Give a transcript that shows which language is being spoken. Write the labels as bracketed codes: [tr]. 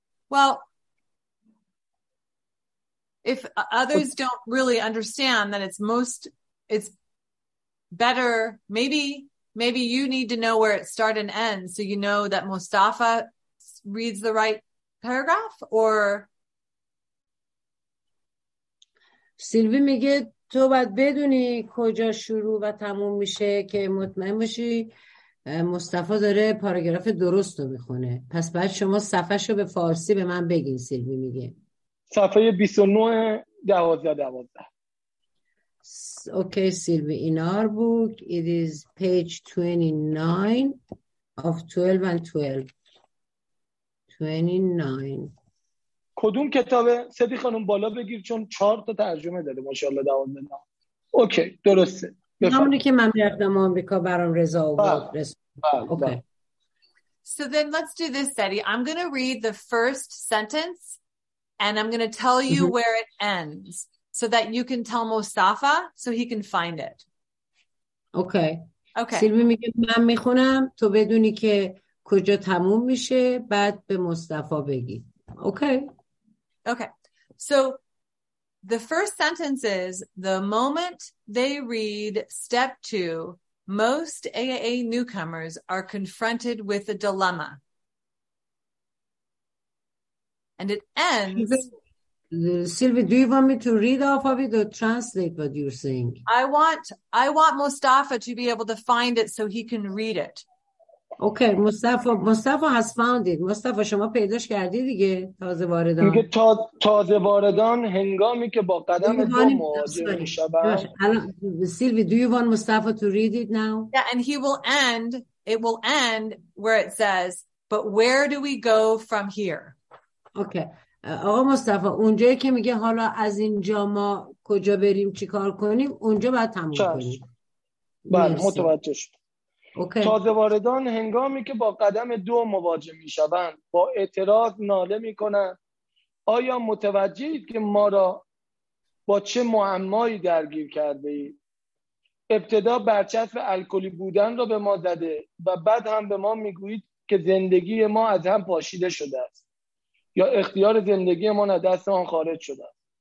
[en] Well, if others don't really understand, then it's better. Maybe you need to know where it starts and ends so you know that Mostafa reads the right paragraph, or [fa] سیلوی میگه تو باید بدونی کجا شروع و تموم میشه که مطمئن باشی مصطفی داره پاراگراف درست رو میخونه. پس بعد شما صفحه شو به فارسی به من بگین. سیلوی میگه صفحه 29 12 12. [en] Okay Sylvie, in our book it is page 29 of 12 and 12 29. [fa] کدوم کتابه؟ سدی خانم بالا بگیر چون 4 تا ترجمه داده ماشاءالله. دوام بده. اوکی درسته. همونی که من رفتم آمریکا برام رضا آورد. [en] So then let's do this, Sedi. I'm going to read the first sentence and I'm going to tell you where it ends so that you can tell Mostafa so he can find it. Okay. [fa] سیلوی میگه من میخونم تو بدونی که کجا تموم میشه، بعد به مصطفی بگی. [en] Okay. So the first sentence is the moment they read step 2, most AAA newcomers are confronted with a dilemma. And it ends. Sylvie, do you want me to read off of it or translate what you're saying? I want Mostafa to be able to find it so he can read it. Okay okay. Mostafa has found it. [fa] مصطفی شما پیداش کردی دیگه. تازه واردان میگه تازه واردان هنگامی که با قدم دو مواجه میشن. [en] Sylvie do you want Mostafa to read it now? Yeah, and it will end where it says but where do we go from here. [fa] اوکی آقا مصطفی اونجایی که میگه حالا از اینجا ما کجا بریم چیکار کنیم اونجا باید تموم کنیم. بله متوجه شد. تازه واردان هنگامی که با قدم دو مواجه می شوند با اعتراض ناله می کنند آیا متوجهید که ما را با چه معمایی درگیر کرده اید؟ ابتدا برچسب الکلی بودن را به ما زده و بعد هم به ما می گویید که زندگی ما از هم پاشیده شده است یا اختیار زندگی ما از دست آن خارج شده است.